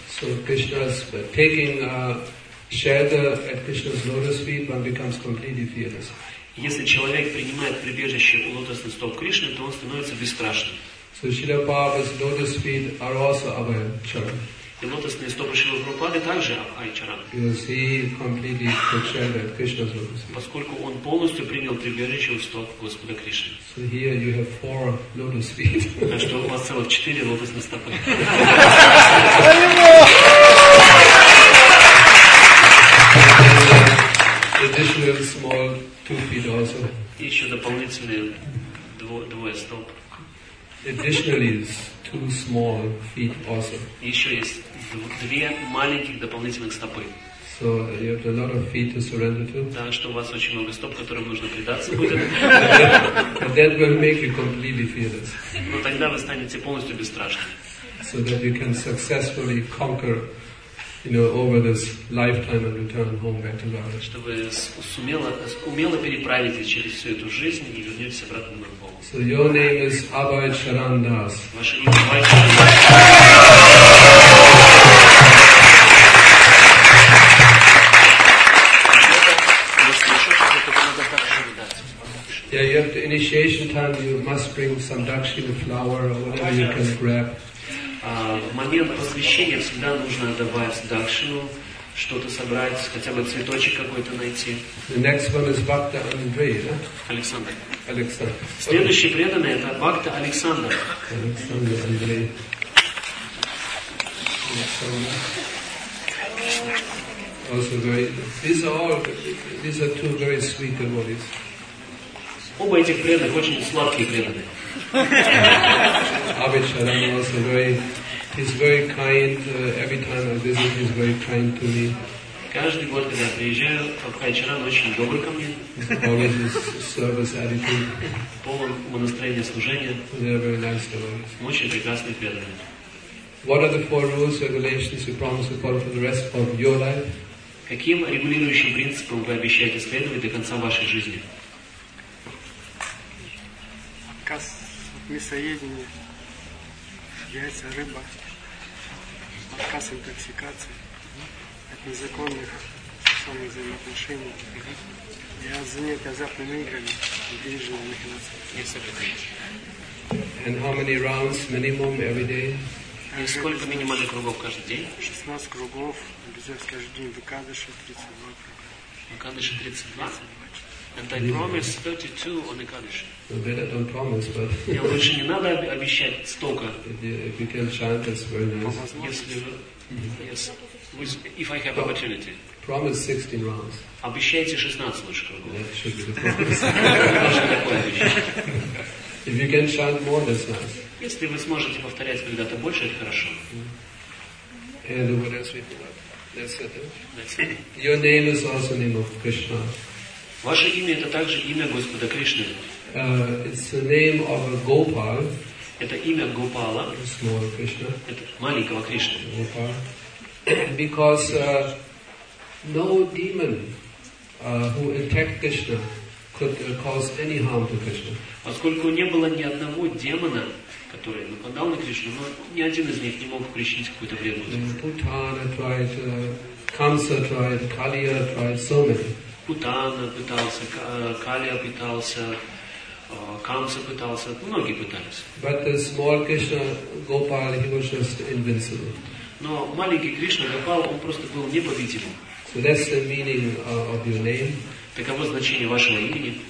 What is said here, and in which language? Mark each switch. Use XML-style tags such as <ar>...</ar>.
<en>So Krishna's taking shelter at Krishna's lotus feet, one becomes completely fearless.</en> <ru>Если человек принимает прибежище у лотосных стоп Кришны, то он становится бесстрашным.</ru> <en>So Srila Prabhupada's lotus feet are also Abhaya Charan.</en> <ru>И лотосные стопы Шрилы Прабхупады также Абхай Чаран.</ru> <en>Because he completely took shelter at Krishna's lotus feet.</en> <ru>Поскольку он полностью принял прибежище у стоп Господа Кришны.</ru> <en>So here you have four lotus feet.</en> <ru>А что у вас целых четыре лотосных стопы?</ru> <en>Additional small two feet also.</en> <ru>И еще дополнительные двое стоп.</ru> <en>Additionally, two small feet also.</en> <ru>Еще есть две маленьких дополнительных стопы.</ru> <en>So you have a lot of feet to surrender to.</en> <ru>Да, что у вас очень много стоп, которым нужно предаться будет.</ru> <en>That will make you completely fearless.</en> <ru>Но тогда вы станете полностью бесстрашными.</ru> <en>So that you can successfully conquer, you know, over this lifetime and return home back to Godhead.</en> <ru>Чтобы умело переправиться через всю эту жизнь и вернуться обратно на Бога.</ru> <en>So your name is Abhay Charan Das.</en> <ru>Ваше имя Абхай Чаран Дас.</ru> <en>Yeah, you have the initiation time. You must bring some dakshina flower or whatever you can grab.</en> <ru>В момент посвящения всегда нужно добавить дакшину, что-то собрать, хотя бы цветочек какой-то найти.</ru> <en>The next one is Bhakta Andrei, right?</en> <ru>Александр. Александр. Следующий преданный – это Бхакта Александр. Александр Андрей. Александр.</ru> <en>Also very, these are two very sweet devotees.</en> <ru>Оба этих преданных очень сладкие преданные.</ru> <en>Abhay Charan also very, he's very kind. Every time I visit, he's very kind to me.</en> <ru>Каждый год, когда приезжаю, Абхай Чаран очень добр ко мне.</ru> <en>Always his service attitude.</en> <ru>Полон настроения служения.</ru> <en>They're very nice devotees.</en> <ru>Очень прекрасные преданные.</ru> <en>What are the four rules, regulations you promise to follow for the rest of your life?</en> <ru>Каким регулирующим принципом вы обещаете следовать до конца вашей жизни? Мясоедение, яйца, рыба, отказ интоксикации от незаконных сексуальных взаимоотношений и от занятия азартными играми и денежными махинациями.</ru> <en>And how many rounds minimum every day?</en> <ru>И сколько минимальных кругов каждый день? 16 кругов, обязательно каждый день, выкадыши 32 круга. Выкадыши 32?</ru> <en>And I promise 32 on Ekadashi. No, better don't promise, but...</en> <ru>Лучше не надо обещать столько.</ru> <en>If you can chant, that's very nice. Yes, if I have opportunity. Promise 16 rounds.</en> <ru>Обещайте 16 лучших.</ru> <en>That should be the promise. If you can chant more, that's nice.</en> <ru>Если вы сможете повторять когда-то больше, это хорошо.</ru> <en>And what else we do? That's it. That's it. Your name is also the name of Krishna.</en> <ru>Ваше имя – это также имя Господа Кришны.</ru> <en>It's the name of a Gopal.</en> <ru>Это имя Гопала.</ru> <en>Small Krishna.</en> <ru>Это маленького Кришны.</ru> <en>Gopal. Because no demon who attacked Krishna could cause any harm to Krishna.</en> <ru>Поскольку не было ни одного демона, который нападал на Кришну, но ни один из них не мог причинить какую-то вредность.</ru> <en>Putana tried, Kamsa tried, Kaliya tried, so many.</en> <ru>Путана пытался, Калия пытался, Камса пытался, многие пытались.</ru> <en>But the small Krishna Gopal, he was just invincible.</en> <ru>Но маленький Кришна Гопал, он просто был непобедимым.</ru> <en>So that's the meaning of your name.</en> <ru>Таково значение вашего имени.</ru>